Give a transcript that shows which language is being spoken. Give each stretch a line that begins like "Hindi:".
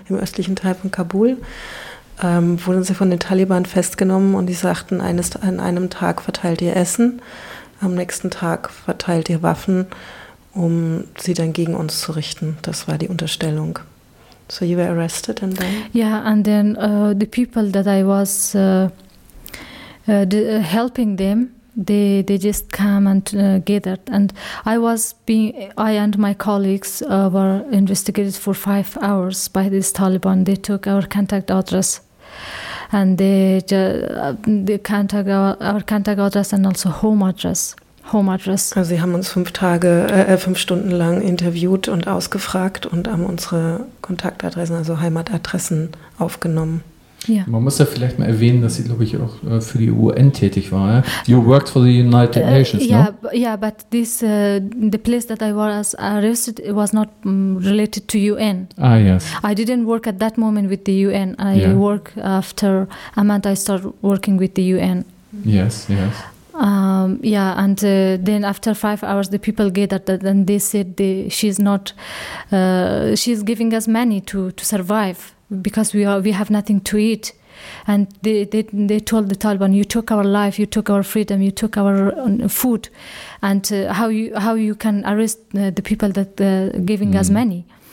German: im östlichen Teil von Kabul, wurden sie von den Taliban festgenommen, und die sagten, an einem Tag verteilt ihr Essen, am nächsten Tag verteilt ihr Waffen, um sie dann gegen uns zu richten. Das war die Unterstellung.
English: So you were arrested and then? Yeah, and then the people that I was helping them, they just came and gathered. And I and my colleagues were investigated for 5 hours by this Taliban. They took our contact address. And our contact address and also home address.
German: Also sie haben uns 5 Stunden lang interviewt und ausgefragt und haben unsere Kontaktadressen, also Heimatadressen, aufgenommen.
English: Yeah.
German: Man muss ja vielleicht mal erwähnen, dass sie, glaube ich, auch für die UN tätig war.
English: Ja? You worked for the United Nations, yeah, no? Yeah, but this the place that I was arrested, it was not related to UN. Ah, yes. I didn't work at that moment with the UN. I yeah. work after a month I started working with the UN. Yes, yes. Yeah, and then after 5 hours, the people gathered and they said she's giving us money to survive, because we have nothing to eat, and they told the Taliban, you took our life, you took our freedom, you took our food, and how you can arrest the people that giving us money.